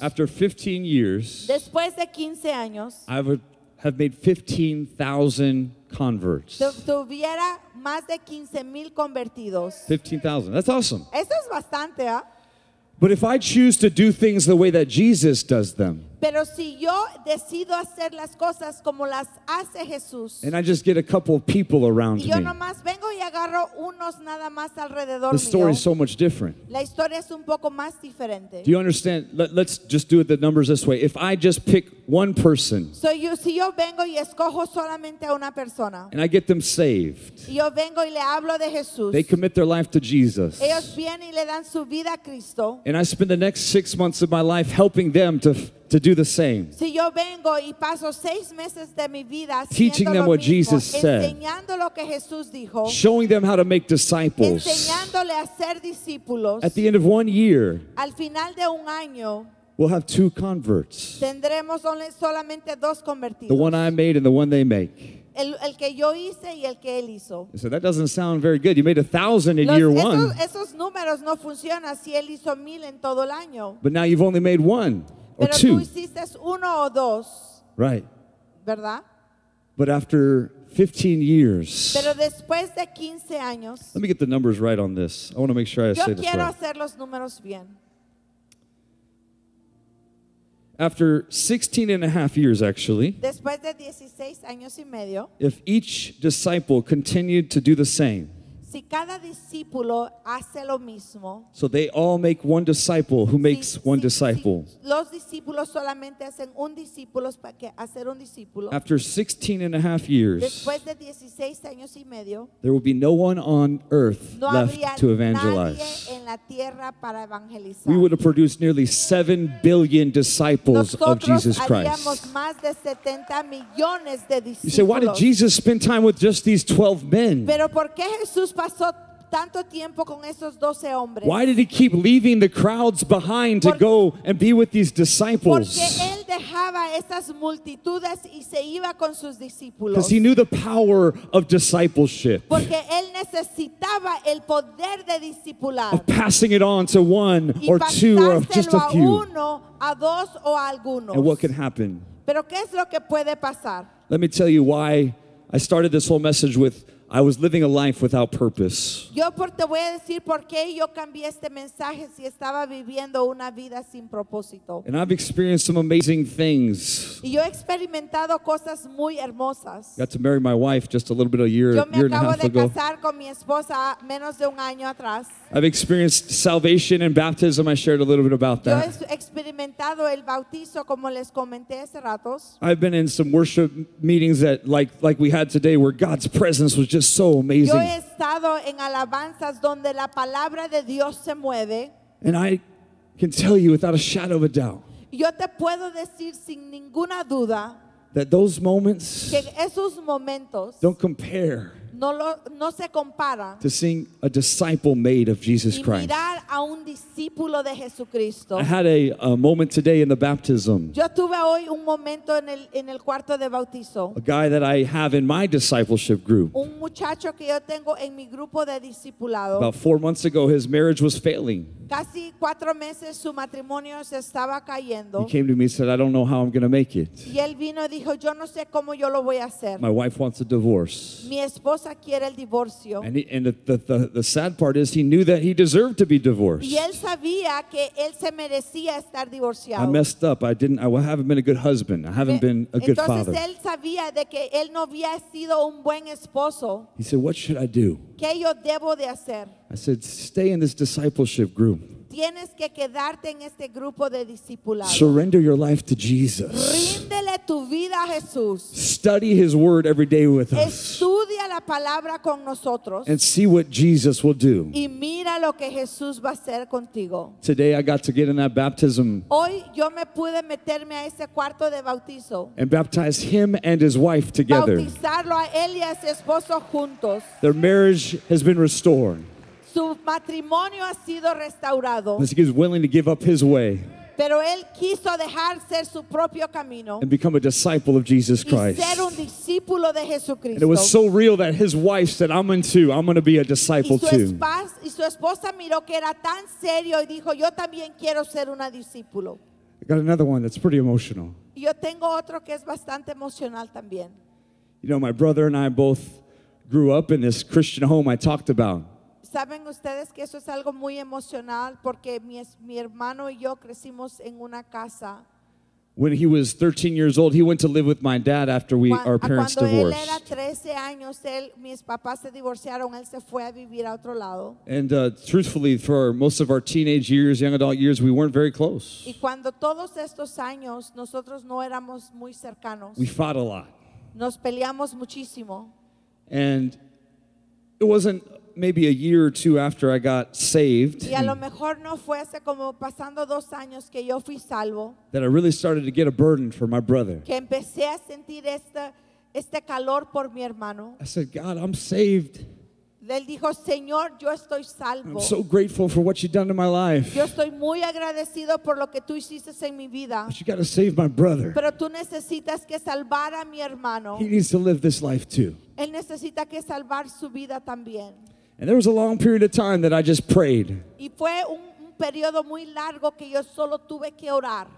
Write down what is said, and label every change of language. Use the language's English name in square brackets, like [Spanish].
[English] After 15 years, [Spanish] después de 15 años, [English] I would have made 15,000 converts. [Spanish] Tuviera más de 15,000 convertidos. [English] 15,000. That's awesome. [Spanish] Eso es bastante, ¿eh? [English] But if I choose to do things the way that Jesus does them, [Spanish] pero si yo decido hacer las cosas como las hace Jesús, [English] and I just get a couple of people around [Spanish] yo [English] me, [Spanish] nomás vengo y agarro unos nada más alrededor [English] the story is so much different. [Spanish] La historia es un poco más diferente. [English] Do you understand? Let's just do it the numbers this way. If I just pick one person, so you, [Spanish] si yo vengo y escojo solamente a una persona, [English] and I get them saved, [Spanish] yo vengo y le hablo de Jesús, [English] they commit their life to Jesus, [Spanish] ellos vienen y le dan su vida a Cristo, [English] and I spend the next 6 months of my life helping them to do the same. [Spanish] Si yo vengo y paso 6 meses de mi vida haciendo [English] teaching them [Spanish] lo [English] what [Spanish] mismo, [English] Jesus said, [Spanish] enseñando lo que Jesús dijo, [English] showing them how to make disciples, [Spanish] enseñándole a ser discípulos, [English] at the end of 1 year, [Spanish] al final de un año, [English] we'll have 2 converts. [Spanish] Tendremos solamente 2 convertidos. [English] The one I made and the one they make. [Spanish] El que yo hice y el que él hizo. [English] So that doesn't sound very good. You made 1,000 in year one. [Spanish] Esos números no funcionan si él hizo 1,000 en todo el año. [English] But now you've only made 1 or [Spanish] pero [English] 2. [Spanish] Tú hiciste uno o dos. [English] Right. [Spanish] ¿Verdad? [English] But after 15 years. [Spanish] Pero después de 15 años. [English] Let me get the numbers right on this. I want to make sure I say this right. [Spanish] Yo quiero hacer los números bien. [English] After 16 and a half years, actually, [Spanish] después de 16 años y medio, [English] if each disciple continued to do the same, [Spanish] si cada discípulo hace lo mismo, [English] so they all make one disciple who makes one disciple. [Spanish] Si los discípulos solamente hacen un discípulo para que hacer un discípulo, [English] after 16 and a half years, [Spanish] después de 16 años y medio, [English] there will be no one on earth [Spanish] no [English] left [Spanish] habría [English] to evangelize. [Spanish] Nadie en la tierra para evangelizar. [English] We would have produced nearly 7 billion disciples [Spanish] nosotros [English] of Jesus Christ. [Spanish] Haríamos más de 70 millones de discípulos. [English] You say, why did Jesus spend time with just these 12 men? [Spanish] Pero ¿por qué Jesús pasó tanto tiempo con esos 12 hombres? [English] Why did he keep leaving the crowds behind to go and be with these disciples? [Spanish] Porque él dejaba esas multitudes y se iba con sus discípulos. [English] Because he knew the power of discipleship. [Spanish] Porque él necesitaba el poder de discipular. [English] Of passing it on to one or two or just a few. [Spanish] Y pasárselo a uno, a dos o a algunos. [English] And what can happen? [Spanish] Pero ¿qué es lo que puede pasar? [English] Let me tell you why I started this whole message with I was living a life without purpose. [Spanish] Yo te voy a decir por qué yo cambié este mensaje si estaba viviendo una vida sin propósito. [English] And I've experienced some amazing things. [Spanish] Y yo he experimentado cosas muy hermosas. [English] Got to marry my wife just a little bit of year and a half ago. [Spanish] Yo me acabo de casar con mi esposa menos de un año atrás. [English] I've experienced salvation and baptism. I shared a little bit about that. [Spanish] Yo he experimentado el bautizo como les comenté hace ratos. [English] I've been in some worship meetings that like we had today where God's presence was just so amazing. [Spanish] Yo he estado en alabanzas donde la palabra de Dios se mueve. [English] And I can tell you without a shadow of a doubt. [Spanish] Yo te puedo decir sin ninguna duda [English] that those moments [Spanish] que esos momentos [English] don't compare [Spanish] no se compara [English] to seeing a disciple made of Jesus Christ. [Spanish] Y mirar a un discípulo de Jesucristo. [English] I had a moment today in the baptism. [Spanish] Yo tuve hoy un momento en el cuarto de bautizo. [English] A guy that I have in my discipleship group. [Spanish] Un muchacho que yo tengo en mi grupo de discipulado. [English] About 4 months ago, his marriage was failing. [Spanish] Casi 4 meses su matrimonio se estaba cayendo. [English] He came to me and said, I don't know how I'm going to make it. [Spanish] Y él vino y dijo, yo no sé cómo yo lo voy a hacer. [English] My wife wants a divorce. [Spanish] Mi esposa quiere el divorcio. [English] And, he, and the sad part is he knew that he deserved to be divorced. [Spanish] Y él sabía que él se merecía estar divorciado. [English] I messed up. I haven't been a good husband. I haven't been a good father. [Spanish] Entonces él sabía de que él no había sido un buen esposo. [English] He said, what should I do? [Spanish] ¿Qué yo debo de hacer? [English] I said, stay in this discipleship group. [Spanish] Tienes que quedarte en este grupo de discipulados. [English] Surrender your life to Jesus. [Spanish] Ríndele tu vida a Jesús. [English] Study his word every day with [Spanish] Estudia [English] us. [Spanish] Estudia la palabra con nosotros. [English] And see what Jesus will do. [Spanish] Y mira lo que Jesús va a hacer contigo. [English] Today I got to get in that baptism. [Spanish] Hoy yo me pude meterme a ese cuarto de bautizo. [English] And baptize him and his wife together. [Spanish] Bautizarlo a él y a su esposo juntos. [English] Their marriage has been restored. [Spanish] Su matrimonio ha sido restaurado. [English] He is willing to give up his way. [Spanish] Pero él quiso dejar ser su propio camino. [English] And become a disciple of Jesus Christ. [Spanish] Y ser un discípulo de Jesucristo. [English] And it was so real that his wife said, I'm going to be a disciple too. [Spanish] Y su esposa miró que era tan serio y dijo, yo también quiero ser una discípulo. [English] I got another one that's pretty emotional. [Spanish] Yo tengo otro que es bastante emocional también. [English] You know, my brother and I both grew up in this Christian home I talked about. [Spanish] Saben ustedes que eso es algo muy emocional porque mi hermano y yo crecimos en una casa. [English] When he was 13 years old, he went to live with my dad after our parents divorced. [Spanish] Cuando él era 13 años, mis papás se divorciaron, él se fue a vivir a otro lado. [English] And truthfully, for most of our teenage years, young adult years, we weren't very close. [Spanish] Y cuando todos estos años, nosotros no éramos muy cercanos. [English] We fought a lot. [Spanish] Nos peleamos muchísimo. [English] And it wasn't maybe a year or two after I got saved, [Spanish] y a lo mejor no fue hace como pasando 2 años que yo fui salvo, [English] that I really started to get a burden for my brother. [Spanish] Que empecé a sentir este calor por mi hermano. [English] I said, God, I'm saved. [Spanish] Él dijo, Señor, yo estoy salvo. [English] I'm so grateful for what you've done in my life. [Spanish] Yo estoy muy agradecido por lo que tú hiciste en mi vida. [English] But you got to save my brother. [Spanish] Pero tú necesitas que salvar a mi hermano. [English] He needs to live this life too. [Spanish] Él necesita que salvar su vida también. [English] And there was a long period of time that I just prayed. [Spanish] Y fue un periodo muy largo que yo solo tuve que orar.